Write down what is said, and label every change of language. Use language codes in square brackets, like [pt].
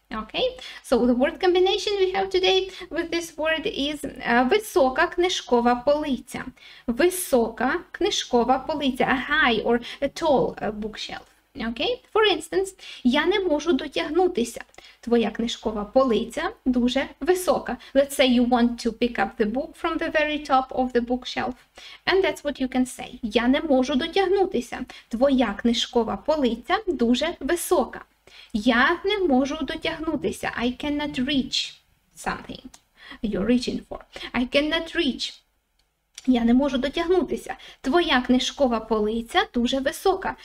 [en] Okay, so the word combination we have today with this word is [uk] висока книжкова полиця. Висока книжкова полиця, [en] a high or a tall bookshelf. Okay, for instance, [uk] я не можу дотягнутися. Твоя книжкова полиця дуже висока. [en] Let's say you want to pick up the book from the very top of the bookshelf. And that's what you can say. [uk] Я не можу дотягнутися. Твоя книжкова полиця дуже висока. Я не можу дотягнутися. [en] I cannot reach something you're reaching for. I cannot reach. [uk] Я не можу дотягнутися. Твоя книжкова полиця дуже висока.